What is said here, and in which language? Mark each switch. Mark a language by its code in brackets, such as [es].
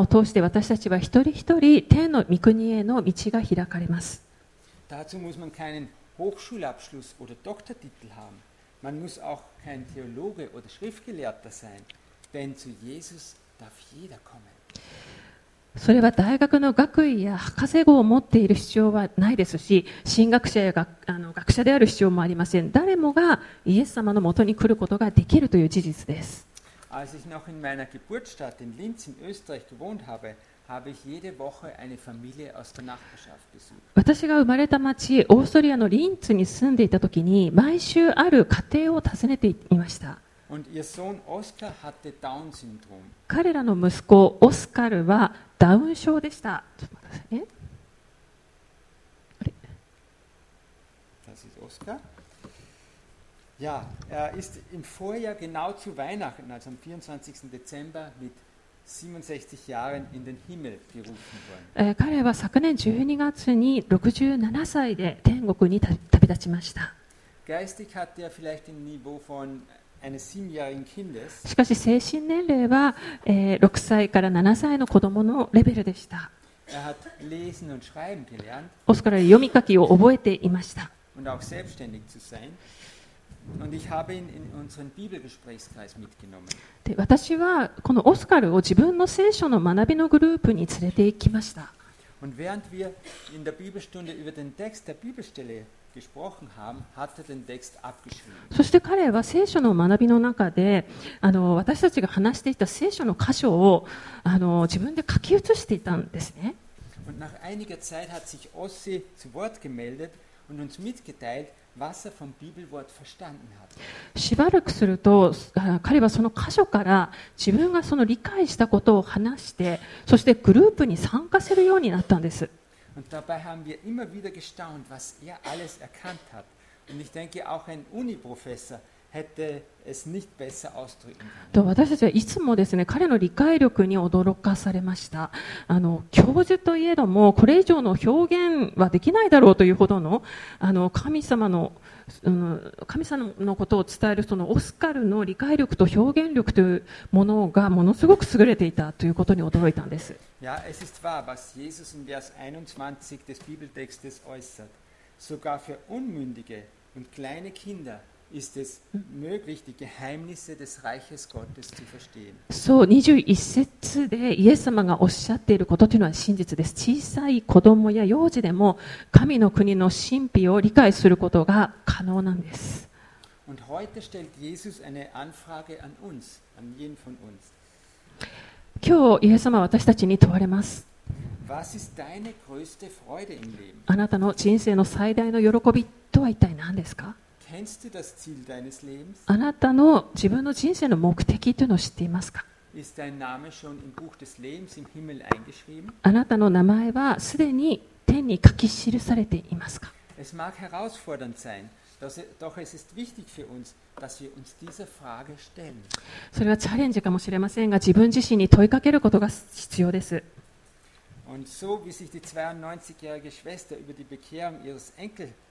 [ja] を通して私たちは一人一人天の御国への道が開かれます。 [de] Dazu muss man keinen Hochschulabschluss oder Doktortitel haben. Man muss auch kein Theologe oder Schriftgelehrter sein. Denn zu Jesus darf jeder kommen. [ja] それは大学の学位や博士号を持っている必要はないですし、神学者や 学者である必要もありません。誰もがイエス様のもとに来ることができるという事実です。 [de] Als ich noch in meiner Geburtsstadt in Linz in Österreich gewohnt habe, habe ich jede Woche eine Familie aus der Nachbarschaft besucht. [ja] 私が生まれた町、オーストリアのリンツに住んでいた時に、毎週ある家庭を訪ねていました。 [de] Und ihr Sohn Oskar hatte Down Syndrom. [ja] 彼らの息子、オスカルはダウン症でした。ちょっと待ってください。え？ [de] Das ist Oskar. Ja, er ist im Vorjahr genau zu Weihnachten, also am 24. Dezember, mit 67 Jahren in den Himmel berufen worden. [ja] 彼は昨年12月に67歳で天国に旅立ちました。 [de] Geistig hat er vielleicht ein Niveau von eines 7-jährigen Kindes. [ja] しかし精神年齢は、6歳から7歳の子供のレベルでした。 [de] Er hat lesen und schreiben gelernt. [ja] オスカルは読み書きを覚えていました。 [de] Und auch selbstständig zu sein. Und ich habe ihn in unseren Bibelgesprächskreis mitgenommen. [ja] で、私はこのオスカルを自分の聖書の学びのグループに連れて行きました。 [de] Und während wir in der Bibelstunde über den Text der Bibelstelle gesprochen haben, hat er den Text abgeschrieben. [ja] そして彼は聖書の学びの中で、私たちが話していた聖書の箇所を、自分で書き写していたんですね。 [de] Und nach einiger Zeit hat sich Ossi zu Wort gemeldet und uns mitgeteilt. Was er vom Bibelwort verstanden hat. [ja] しばらくすると彼はその箇所から自分がその理解したことを話して、そしてグループに参加するようになったんです。 [de] Und dabei haben wir immer wieder gestaunt, was er alles erkannt hat. Und ich denke, auch ein Uni-Professor hätte es nicht besser ausdrücken können. [ja] 私たちはいつもですね、彼の理解力に驚かされました。教授といえども、これ以上の表現はできないだろうというほど の神様の、神様のことを伝えるそのオスカルの理解力と表現力というものがものすごく優れていたということに驚いたんです。 [de] Ja, es ist wahr, was Jesus in Vers 21 des Bibeltextes äußert. Sogar für Unmündige und kleine Kinder. Ist es möglich, die Geheimnisse des Reiches Gottes zu verstehen? [ja] そう、21節でイエス様がおっしゃっていることというのは真実です。小さい子供や幼児でも神の国の神秘を理解することが可能なんです。 [de] Und heute stellt Jesus eine Anfrage an uns, an jeden von uns. [ja] 今日、イエス様は私たちに問われます。 [de] Was ist deine größte Freude im Leben? [ja] あなたの人生の最大の喜びとは一体何ですか？ [de] Kennst du das Ziel deines Lebens? [ja] あなたの自分の人生の目的というのを知っていますか？ [de] Ist dein Name schon im Buch des Lebens im Himmel eingeschrieben? [ja] あなたの名前はすでに天に書き記されていますか？ [de] Es mag herausfordernd sein, doch es ist wichtig für uns, dass wir uns diese Frage stellen. [ja] それはチャレンジかもしれませんが、自分自身に問いかけることが必要です。 [de] Und so wie sich die 92-jährige Schwester über die Bekehrung ihres Enkels